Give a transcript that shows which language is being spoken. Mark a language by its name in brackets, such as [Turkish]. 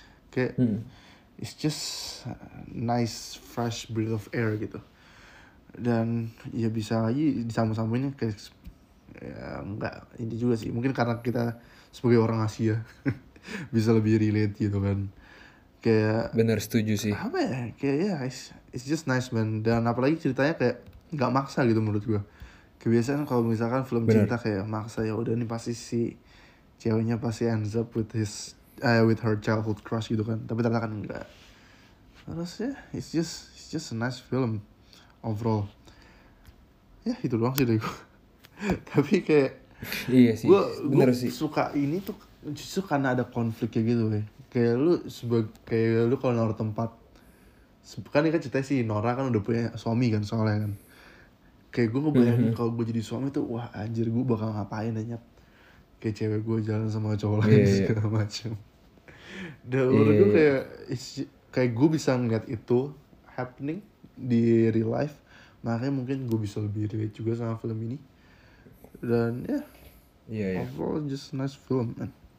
[English] Kayak it's just nice fresh breath of air gitu. [Indonesian] Dan ya bisa lagi disambung-sambungnya kayak ya enggak ini juga sih, mungkin karena kita sebagai orang Asia bisa lebih relate gitu kan. Kayak bener, setuju sih. Apa ya? [English] Kayak ya yeah, it's just nice man. [Indonesian] Dan apalagi ceritanya kayak enggak maksa gitu menurut gua. Kebiasaan kalau misalkan film bener cinta kayak maksa, ya udah ini pasti si ceweknya pasti [English] ends up with his with her childhood crush [Indonesian] gitu kan. Tapi ternyata kan enggak. [English] Terus ya, yeah, it's just a nice film overall. [Indonesian] Ya, yeah, itu doang sih dari gua. Tapi kayak iya sih. Benar sih. Suka ini tuh justru karena ada konfliknya gitu, weh. Kayak lu sebagai kayak lu kalau naruh tempat kan, ini kan cerita si Nora kan udah punya suami kan soalnya kan. Kayak gue ngebayangin kalau gue jadi suami tuh, wah anjir gue bakal ngapain aja. Kayak cewek gue jalan sama cowok lain segala macem. Dan menurut gue kayak gue bisa ngeliat itu [English] happening [Indonesian] di [English] real life. [Indonesian] Makanya mungkin gue bisa lebih relate juga sama film ini. [English] Dan ya, overall just nice film, man.